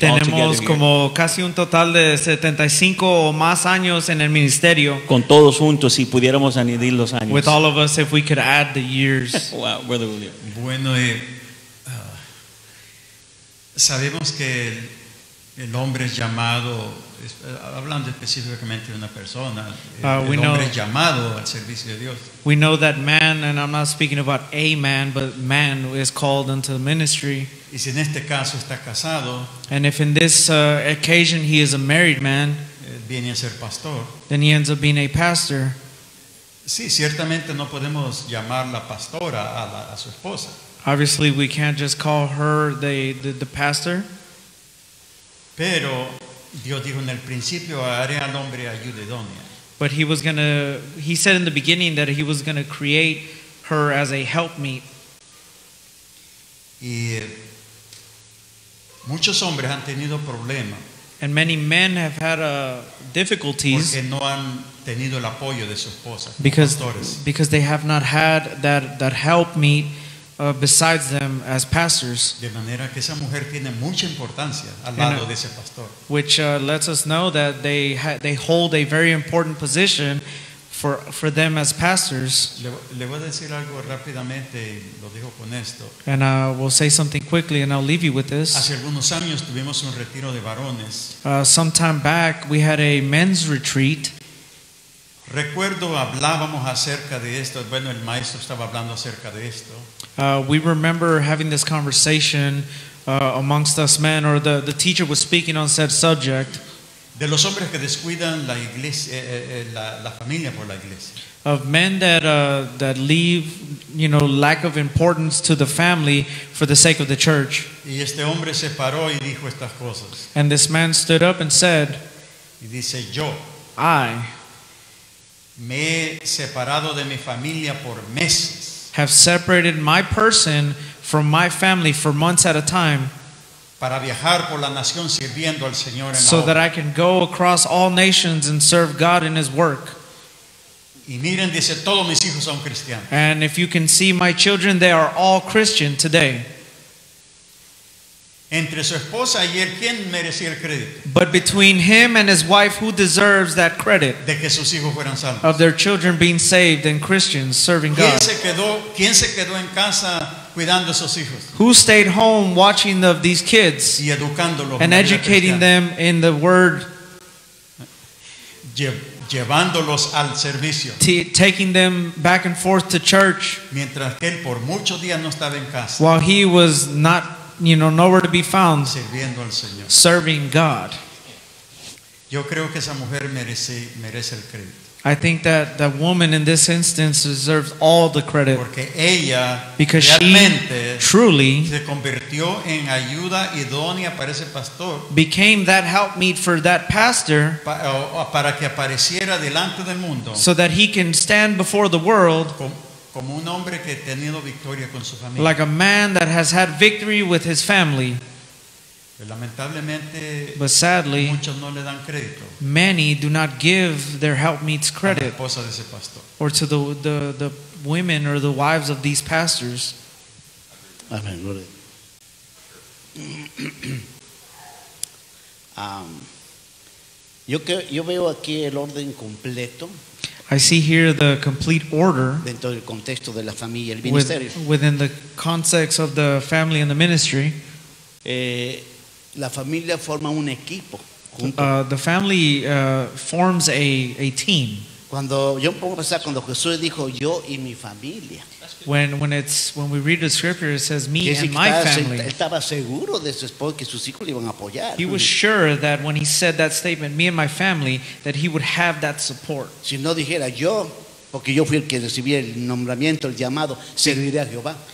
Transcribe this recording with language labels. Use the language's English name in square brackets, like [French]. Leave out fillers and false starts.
[Spanish] Tenemos como casi un total de 75 o más años en el ministerio. Con todos juntos, si pudiéramos añadir los años. [English] With all of us, if we could add the years. Wow, Brother William. [Spanish] Bueno, sabemos que el hombre es llamado, hablando específicamente de una persona, el hombre llamado al servicio de Dios. [English] We know that man, and I'm not speaking about a man, but man is called into the ministry. [Spanish] Y si en este caso está casado, [English] and if in this occasion he is a married man, [Spanish] viene a ser pastor, [English] then he ends up being a pastor. [Spanish] Sí, ciertamente no podemos llamar la pastora a su esposa. [English] Obviously, we can't just call her the pastor. [Spanish] Pero Dios dijo en el principio, haré al hombre ayuda idónea. [English] But he was gonna. He said in the beginning that he was gonna create her as a helpmeet. [Spanish] Y muchos hombres han tenido problemas. [English] And many men have had difficulties. [Spanish] Porque no han tenido el apoyo de su esposa. [English] Because they have not had that helpmeet. Besides them as pastors, [Spanish] de manera que esa mujer tiene mucha importancia al lado de ese pastor, [English] which lets us know that they hold a very important position for them as pastors. [Spanish] Le voy a decir algo rápidamente, lo dejo con esto. [English] And I will say something quickly, and I'll leave you with this. [Spanish] Hace algunos años tuvimos un retiro de varones. [English] Some time back, we had a men's retreat. [Spanish] Recuerdo hablábamos acerca de esto. Bueno, el maestro estaba hablando acerca de esto. [English] We remember having this conversation amongst us men, or the teacher was speaking on said subject. [Spanish] De los hombres que descuidan la iglesia, la familia por la iglesia. [English] Of men that that leave, you know, lack of importance to the family for the sake of the church. [Spanish] Y este hombre se paró y dijo estas cosas. [English] And this man stood up and said. [Spanish] Y dice yo. [English] I. [Spanish] Me he separado de mi familia por meses. [English] Have separated my person from my family for months at a time [Spanish] para viajar por la nación sirviendo al Señor en [English] so that I can go across all nations and serve God in His work. [Spanish] Y miren, dice, todos mis hijos son cristianos. [English] And if you can see my children, they are all Christian today. [Spanish] Entre su esposa y él, ¿quién merecía el crédito? [English] But between him and his wife, who deserves that credit? [Spanish] De que sus hijos fueran salvos. [English] Of their children being saved and Christians serving [Spanish] ¿quién [English] God. [Spanish] ¿Quién se quedó en casa cuidando a sus hijos? [English] Who stayed home watching these kids [Spanish] y educándolos [English] and educating them in the word? [Spanish] Llevándolos al servicio. [English] Taking them back and forth to church. [Spanish] Mientras que él por muchos días no estaba en casa. [English] While he was not, you know, nowhere to be found, [Spanish] sirviendo al Señor. [English] Serving God. [Spanish] Yo creo que esa mujer merece el crédito. [English] I think that the woman in this instance deserves all the credit. [Spanish] Porque ella [English] because [Spanish] realmente [English] she truly [Spanish] se convirtió en ayuda idónea para ese pastor, [English] became that helpmeet for that pastor [Spanish] para que apareciera delante del mundo, [English] so that he can stand before the world [Spanish] como un hombre que ha tenido victoria con su familia. [English] Like a man that has had victory with his family. [Spanish] Lamentablemente, [English] but sadly, [Spanish] muchos no le dan crédito. [English] Many do not give their helpmates credit, [Spanish] a la esposa de ese pastor. [English] Or to the women or the wives of these pastors. Amen. [Spanish] Yo veo aquí el orden completo. [English] I see here the complete order [Spanish] dentro del contexto de la familia, el ministerio. [English] Within the context of the family and the ministry. [Spanish] La familia forma un equipo. [English] The family forms a team. [Spanish] Cuando yo pongo a pensar, cuando Jesús dijo yo y mi familia. [English] When we read the scripture, it says me and my family. [Spanish] Estaba seguro de su esposo que sus hijos le iban a apoyar. [English] He was sure that when he said that statement, me and my family, that he would have that support. [Spanish] Si no dijera yo, porque yo fui el que recibí el nombramiento, el llamado, serviré a Jehová.